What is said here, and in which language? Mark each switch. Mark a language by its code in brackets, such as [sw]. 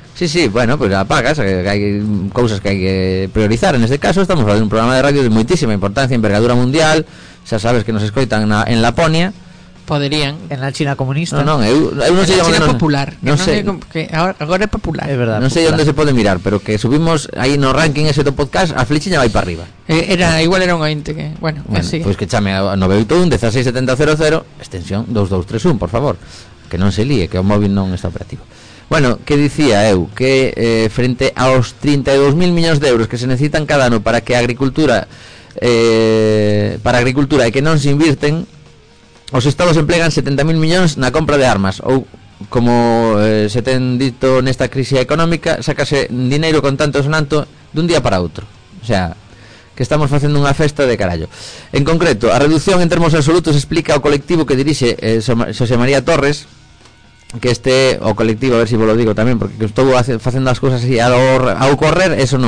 [es] Sí, sí, bueno, pues apagas, hay cousas que hay que priorizar. En este caso estamos hablando de un programa de radio de muitísima importancia, envergadura mundial. [gl] Xa sabes que nos escoitan na, en Laponia. Poderían. [es] En la China comunista. [gl] No, non, eu non sei onde... [es] En la China [gl] onde, [es] popular. [gl] Non sei. Agora é popular. É verdad. Non sei onde se pode mirar, pero que subimos aí no ranking ese do podcast, a flechinha vai para arriba. Era, igual era un ointe que... Bueno, así. Pois pues que chame a 981-16700, extensión 2231, por favor. Que non se líe, que o móvil non está operativo. Bueno, que dicía eu que frente aos 32.000 millóns de euros que se necesitan cada ano para que a agricultura para a agricultura e que non se invirten, os estados emplegan 70.000 millóns na compra de armas, ou como se ten dito nesta crise económica, sacase dinero con tanto sonanto dun día para outro. O sea, que estamos facendo unha festa de carallo. En concreto, a reducción en termos absolutos explica o colectivo que dirixe Xosé María Torres, que este o colectivo, a ver [es] si vos lo digo también, porque estuvo haciendo las cosas así a correr, eso no,